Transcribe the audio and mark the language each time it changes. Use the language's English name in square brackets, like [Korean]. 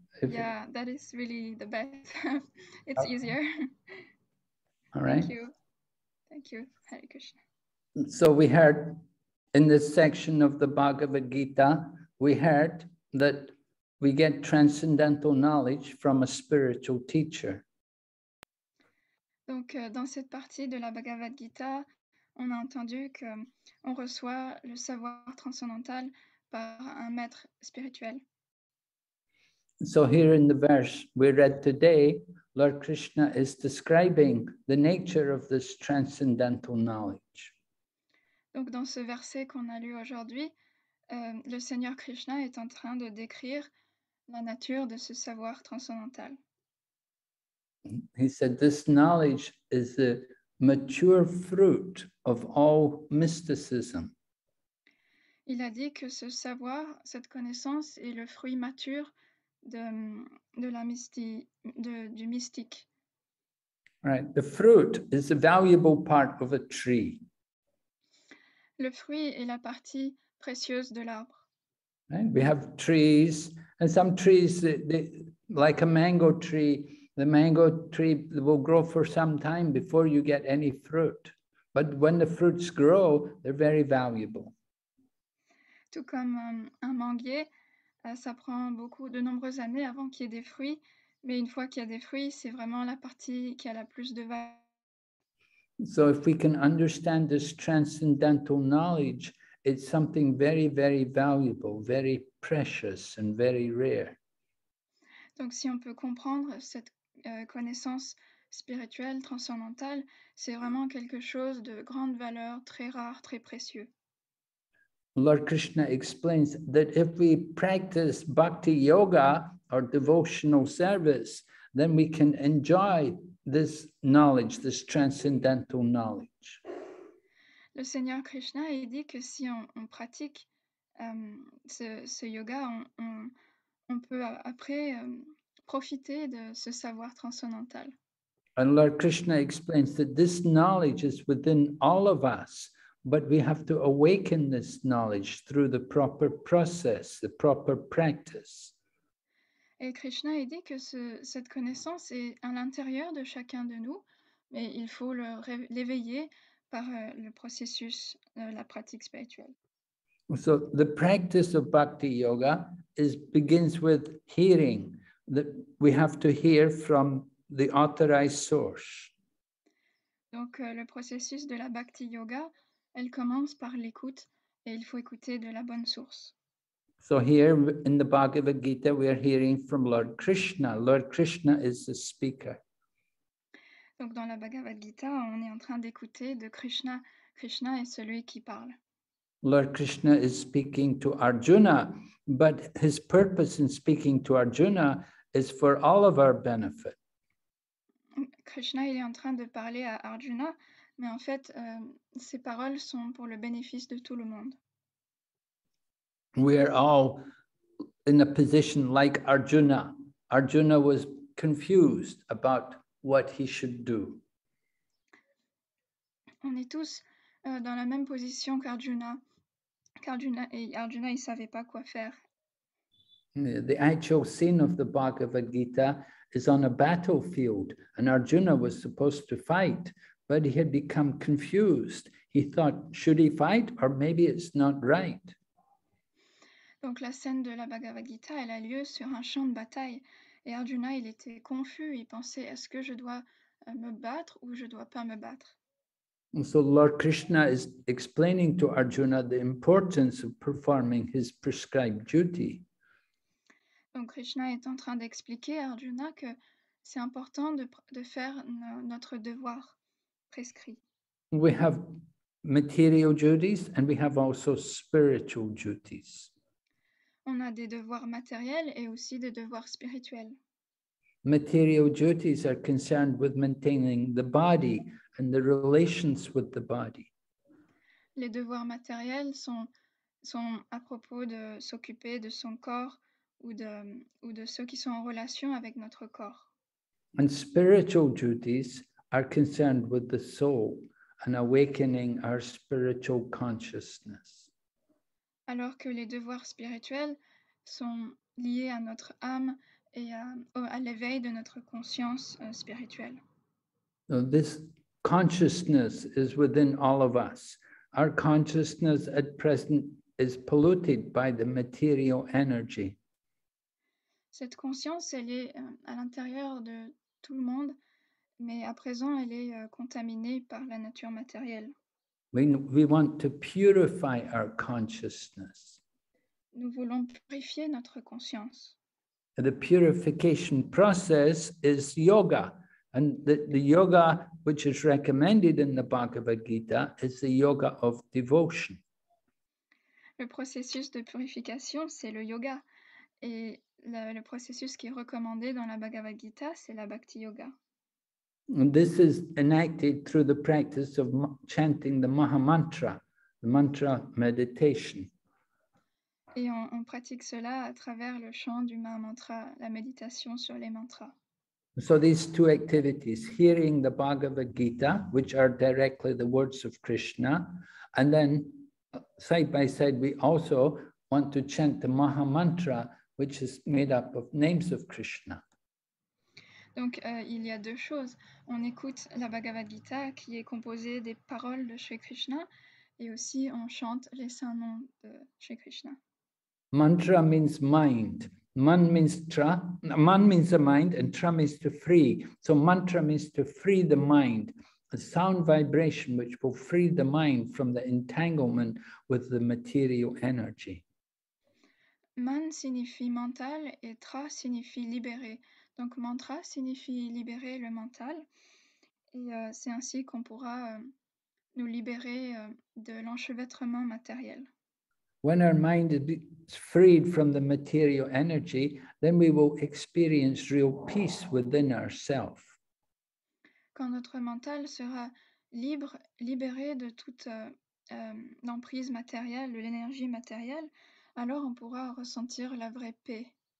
[English] Yeah, that is really the best. It's easier. All right. Thank you. Thank you. Hare Krishna. So we heard in this section of the Bhagavad Gita, we heard that we get transcendental knowledge from a spiritual teacher. [French] Donc, dans cette partie de la Bhagavad Gita, on a entendu qu'on reçoit le savoir transcendantal par un maître spirituel. [English] So here in the verse we read today, Lord Krishna is describing the nature of this transcendental knowledge. [French] Donc dans ce verset qu'on a lu aujourd'hui, le Seigneur Krishna est en train de décrire la nature de ce savoir transcendantal. [English] He said this knowledge is the mature fruit of all mysticism. [French] Il a dit que ce savoir, cette connaissance est le fruit mature du mystique. [English] Right. The fruit is a valuable part of a tree. [French] Le fruit est la partie précieuse de l'arbre. [English] Right. We have trees, and some trees, they, like a mango tree, the mango tree will grow for some time before you get any fruit. But when the fruits grow, they're very valuable. [French] Tout comme un manguier, ça prend beaucoup de nombreuses années avant qu'il y ait des fruits, Mais une fois qu'il y a des fruits, c'est vraiment la partie qui a la plus de valeur. [English] So if we can understand this transcendental knowledge, it's something very, very valuable, very precious and very rare. [French] Donc si on peut comprendre cette connaissance spirituelle, transcendantale, c'est vraiment quelque chose de grande valeur, très rare, très précieux. [English] Lord Krishna explains that if we practice bhakti yoga or devotional service, then we can enjoy this knowledge, this transcendental knowledge. [French] Le Seigneur Krishna, il dit que si on pratique ce yoga, on peut après profiter de ce savoir transcendantal. [English] And Lord Krishna explains that this knowledge is within all of us, but we have to awaken this knowledge through the proper process, the proper practice. [French] Et Krishna il dit que cette connaissance est à l'intérieur de chacun de nous, mais il faut l'éveiller par le processus, la pratique spirituelle. [English] So the practice of bhakti yoga begins with hearing, that we have to hear from the authorized source. [French] Donc le processus de la bhakti yoga, elle commence par l'écoute et il faut écouter de la bonne source. [English] So here in the Bhagavad Gita, we are hearing from Lord Krishna. Lord Krishna is the speaker. [French] Donc dans la Bhagavad Gita, on est en train d'écouter de Krishna. Krishna est celui qui parle. [English] Lord Krishna is speaking to Arjuna, but his purpose in speaking to Arjuna is for all of our benefit. [French] Krishna, il est en train de parler à Arjuna, mais en fait, ses paroles sont pour le bénéfice de tout le monde. [English] We are all in a position like Arjuna. Arjuna was confused about what he should do. [French] On est tous dans la même position qu'Arjuna. Arjuna, il savait pas quoi faire. [English] The actual scene of the Bhagavad Gita is on a battlefield, and Arjuna was supposed to fight, but he had become confused. He thought, should he fight, or maybe it's not right? [French] Donc la scène de la Bhagavad Gita, elle a lieu sur un champ de bataille. Et Arjuna, il était confus, il pensait, est-ce que je dois me battre ou je ne dois pas me battre? [English] And so Lord Krishna is explaining to Arjuna the importance of performing his prescribed duty. [French] Donc Krishna est en train d'expliquer à Arjuna que c'est important de faire notre devoir prescrit. [English] We have material duties and we have also spiritual duties. [French] On a des devoirs matériels et aussi des devoirs spirituels. [English] Material duties are concerned with maintaining the body and the relations with the body. [French] Les devoirs matériels sont à propos de s'occuper de son corps ou de ceux qui sont en relation avec notre corps. [English] And spiritual duties are concerned with the soul and awakening our spiritual consciousness. [French] Alors que les devoirs spirituels sont liés à notre âme et à l'éveil de notre conscience spirituelle. [English] So this consciousness is within all of us. Our consciousness at present is polluted by the material energy. [French] Cette conscience, elle est à l'intérieur de tout le monde, mais à présent, elle est contaminée par la nature matérielle. [English] We want to purify our consciousness. [French] Nous voulons purifier notre conscience. [English] The purification process is yoga. And the yoga which is recommended in the Bhagavad Gita is the yoga of devotion. [French] Le processus de purification, c'est le yoga. Et le processus qui est recommandé dans la Bhagavad Gita, c'est la Bhakti Yoga. [English] And this is enacted through the practice of chanting the Maha Mantra, the mantra meditation. [French] Et on pratique cela à travers le chant du Maha Mantra, la méditation sur les mantras. [English] So these two activities, hearing the Bhagavad Gita, which are directly the words of Krishna, and then side by side, we also want to chant the Maha Mantra, which is made up of names of Krishna. [French] Donc, il y a deux choses. On écoute la Bhagavad Gita qui est composée des paroles de Sri Krishna et aussi on chante les saints noms de Sri Krishna. [English] Mantra means mind. Man means tra. Man means the mind, and tra means to free. So mantra means to free the mind, a sound vibration which will free the mind from the entanglement with the material energy. [French] Man signifie mental et tra signifie libérer. Donc mantra signifie libérer le mental. Et c'est ainsi qu'on pourra nous libérer de l'enchevêtrement matériel. [English] When our mind is freed from the material energy, then we will experience real peace within ourselves. [French] Quand notre mental sera libre, libéré de toute l'emprise matérielle, de l'énergie matérielle, alors on pourra ressentir la vraie paix.